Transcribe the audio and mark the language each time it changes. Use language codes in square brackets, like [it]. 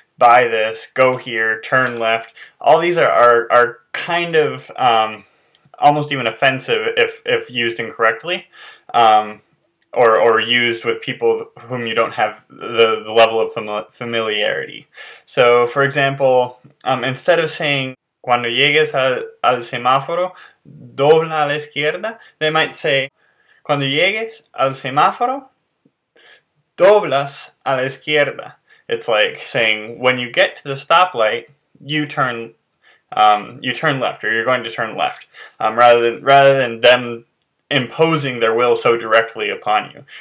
[en] Buy this, go here, turn left. All these are kind of almost even offensive if used incorrectly, or used with people whom you don't have the level of familiarity. So, for example, instead of saying [es] cuando llegues al semáforo, dobla a la izquierda, [en] they might say [es] cuando llegues al semáforo, doblas a la izquierda. [en] It's like saying when you get to the stoplight, you turn left, or you're going to turn left, rather than them imposing their will so directly upon you.